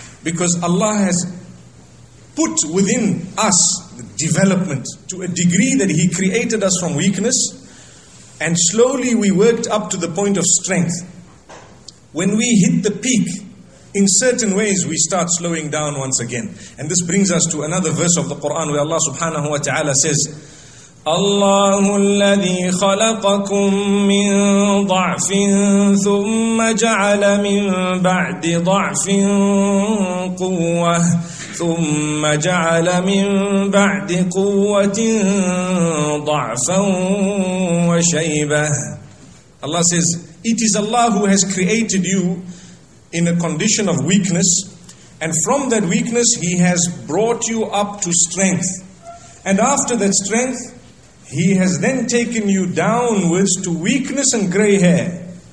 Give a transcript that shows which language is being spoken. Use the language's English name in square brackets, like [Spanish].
[English] Because Allah has put within us the development to a degree that He created us from weakness. And slowly we worked up to the point of strength. When we hit the peak, in certain ways we start slowing down once again. And this brings us to another verse of the Quran where Allah subhanahu wa ta'ala says, [Arabic] اللَّهُ الَّذِي خَلَقَكُم مِّن ضَعْفٍ ثُمَّ جَعَلَ مِن بَعْدِ ضَعْفٍ قُوَّةٍ ثم جعل من بعد قوة ضعفا وشيبة. [English] Allah says, it is Allah who has created you in a condition of weakness, and from that weakness He has brought you up to strength. And after that strength, He has then taken you downwards to weakness and grey hair.